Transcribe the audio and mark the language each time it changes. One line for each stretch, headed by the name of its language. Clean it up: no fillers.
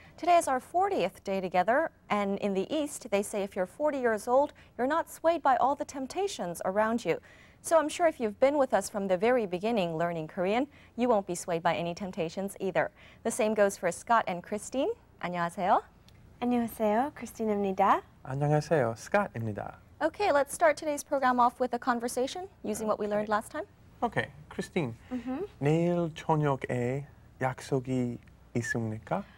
English: Today is our 40th day together, and in the East, they say if you're 40 years old, you're not swayed by all the temptations around you. So I'm sure if you've been with us from the very beginning learning Korean, you won't be swayed by any temptations either. The same goes for Scott and Christine.
Korean: 안녕하세요. 안녕하세요, 크리스틴입니다. 안녕하세요, 스콧입니다.
English: Okay, let's start today's program off with a conversation using what we learned last time. Okay, 크리스틴, mm-hmm.
Korean: 내일 저녁에 약속이 있습니까?